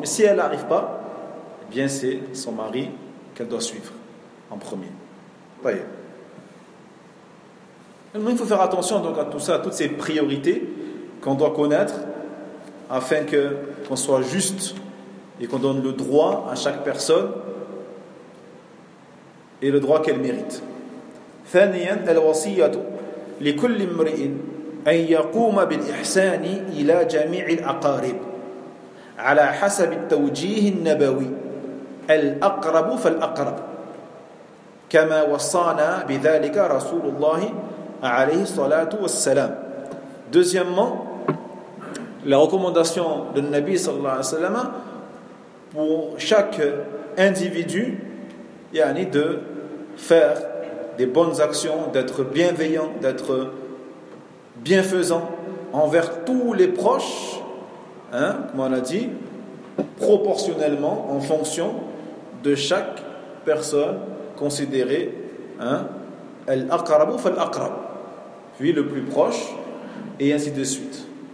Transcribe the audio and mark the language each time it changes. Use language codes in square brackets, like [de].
[fr] Mais si elle n'arrive pas, eh bien, c'est son mari qu'elle doit suivre en premier. Vous voyez? Il faut faire attention donc à tout ça, à toutes ces priorités qu'on doit connaître afin qu'on soit juste et qu'on donne le droit à chaque personne et le droit qu'elle mérite. [ar] ثانياً الوصية لكل امرئ أن يقوم بالإحسان إلى جميع الأقارب على حسب التوجيه النبوي الأقرب فالأقرب كما وصانا بذلك رسول الله عليه الصلاة والسلام. [fr] Deuxièmement, la recommandation de Nabi sallallahu alayhi wa sallam pour chaque individu, yani de faire des bonnes actions, d'être bienveillant, d'être bienfaisant envers tous les proches, hein, comme on l'a dit, proportionnellement en fonction de chaque personne considérée, hein, [ar] al-aqrabu fal-aqrab, [fr] puis le plus proche, et ainsi de suite.